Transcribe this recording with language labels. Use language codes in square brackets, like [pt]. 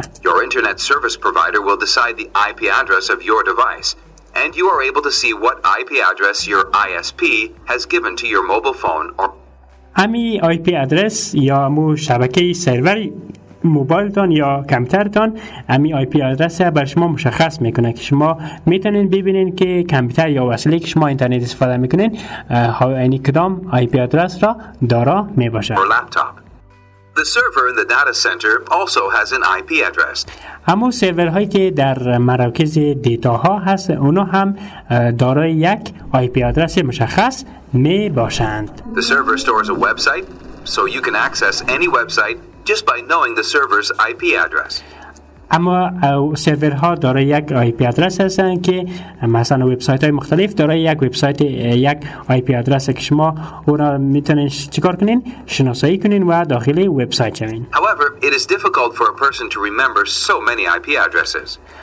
[en] Your internet service provider will decide the IP address of your device. And you are able to see what IP address your ISP has given to your mobile phone or [fa] امی آی پی آدرس یا مو شبکه سروری موبایلتان یا کامپیوترتان امی آی پی آدرس بر شما مشخص میکنه که شما میتونین ببینین که کامپیوتر یا وسیله که شما اینترنت استفاده میکنین یعنی کدام آی پی آدرس را دارا میباشه. [en] The server in the data center also has an IP address. [fa] همو سرورهایی که در مراکز دیتاها هست اونا هم دارای یک IP آدرس مشخص می باشند. [en] The server stores a website, so you can access any website just by knowing the server's IP address. [fa] اما سرورها دارای یک IP آدرس هستند که مثلا وبسایت های مختلف دارای یک وبسایت یک IP آدرس که شما اونا میتونین چیکار کنین شناسایی کنین و داخل وبسایت شوین. [en] However, it is difficult for a person to remember so many IP addresses.